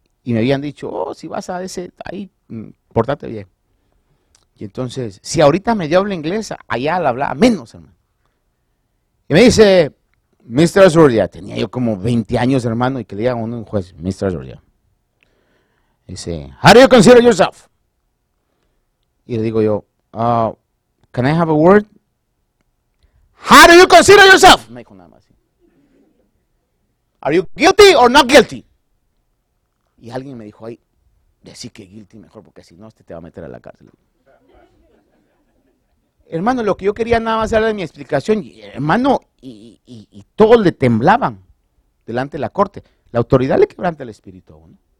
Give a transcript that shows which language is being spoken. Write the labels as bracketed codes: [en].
[es] Y me habían dicho, oh, si vas a ese, ahí, portate bien. Y entonces, si ahorita me dio habla inglesa, allá la hablaba menos, hermano. Y me dice, Mr. Azuria, tenía yo como 20 años, hermano, y que le diga a un juez, Mr. Azuria. Dice, [en] how do you consider yourself? [es] Y le digo yo, [en] can I have a word? How do you consider yourself? [es] Me dijo nada más. [en] Are you guilty or not guilty? [es] Y alguien me dijo ahí, decí que guilty mejor, porque si no, este te va a meter a la cárcel. Hermano, lo que yo quería nada más era de mi explicación. Y, hermano, y todos le temblaban delante de la corte. La autoridad le quebranta el espíritu a uno.